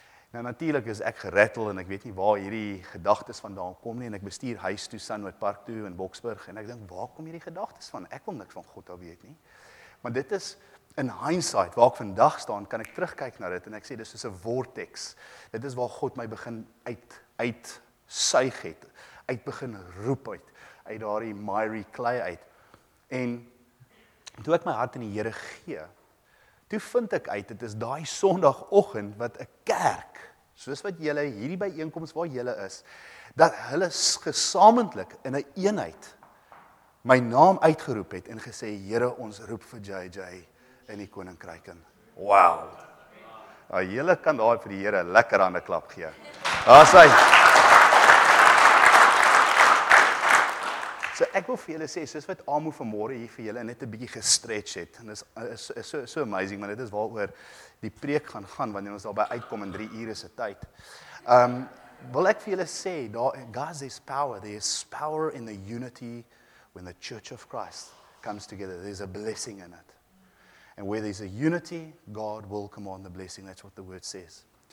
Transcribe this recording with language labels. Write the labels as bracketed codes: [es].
[af] Nou natuurlik is ek gerattel en ek weet nie waar hierdie gedagtes vandaan kom nie en ek bestuur huis toe Sandwood Park toe in Boksburg en ek dink, waar kom hierdie gedagtes van? Ek wil niks van God al weet nie. Maar dit is [en] in hindsight, [af] waar ek vandag staan, kan ek terugkyk na dit en ek sê, dis soos 'n vortex. Dit is waar God my begin uitsuig het, uit begin roep uit daardie miry klei uit. En toe ek my hart in die Here gee, toe vind ek uit, dit is daai sonoggend wat 'n kerk, soos wat julle hierdie byeenkoms waar julle is, dat hulle gesamentlik in 'n eenheid my naam uitgeroep het en gesê, "Here, ons roep vir JJ in die koninkryk in." Wow! Nou, julle kan daar vir die Here lekker aan 'n klap gee. Daar is hy! So ek wil vir julle sê, soos wat Amo vanmôre hier vir julle net 'n bietjie gestretch het, en is so amazing, want dit is waaroor die preek gaan gaan, wanneer ons daarby uitkom in 3 ure se tyd. Wil ek vir julle sê, [en] God is power, there is power in the unity when the church of Christ comes together. There is a blessing in it. And where there is a unity, God will command the blessing, that's what the word says.